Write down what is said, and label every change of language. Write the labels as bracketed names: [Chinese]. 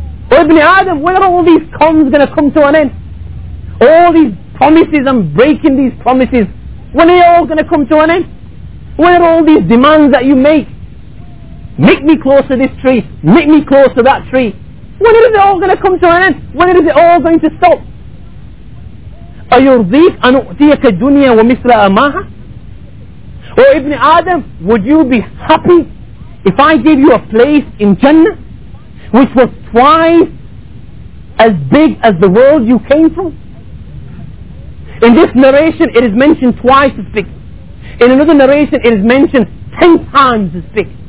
[English] Oh Ibn Adam, when are all these cons going to come to an end? All these promises, I'm breaking these promises. When are they all going to come to an end? When are all these demands that you make? Make me close to this tree. Make me close to that tree. When is it all going to come to an end? When is it all going to stop? [Arabic] أَيُرْضِيكَ أَنْ أُؤْتِيَكَ الدُّنْيَا وَمِثْلَ أَمَاهَا. [English] Oh Ibn Adam, would you be happy if I gave you a place in Jannah which was twice as big as the world you came from? In this narration it is mentioned twice as big. In another narration it is mentioned 10 times as big.